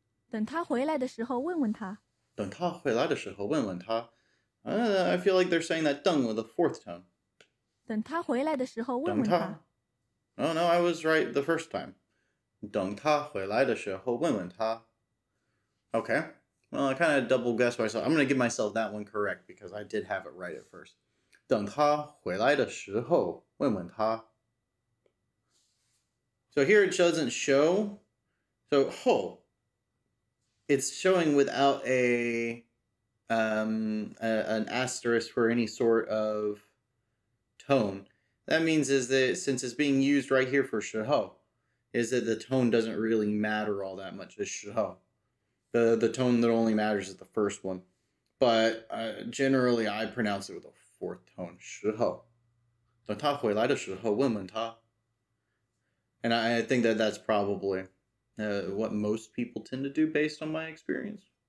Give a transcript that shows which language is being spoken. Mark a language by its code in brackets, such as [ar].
[zh] 等他回来的时候问问他, 等他回来的时候问问他, [en] I feel like they're saying that 等 with a fourth tone. [zh] 等他回来的时候问问他, [en] Oh, no, I was right the first time. [zh] 等他回来的时候问问他. [en] Okay. Well, I kind of double-guessed myself. I'm going to give myself that one correct because I did have it right at first. [zh] 等他回来的时候问问他. [en] So here it doesn't show. So, ho. It's showing without an asterisk for any sort of tone. That means is that since it's being used right here for shihou, is that the tone doesn't really matter all that much as shihou. The tone that only matters is the first one. But generally, I pronounce it with a fourth tone, shihou. [zh] 等他回来的时候问问他. [en] And I think that that's probably what most people tend to do based on my experience.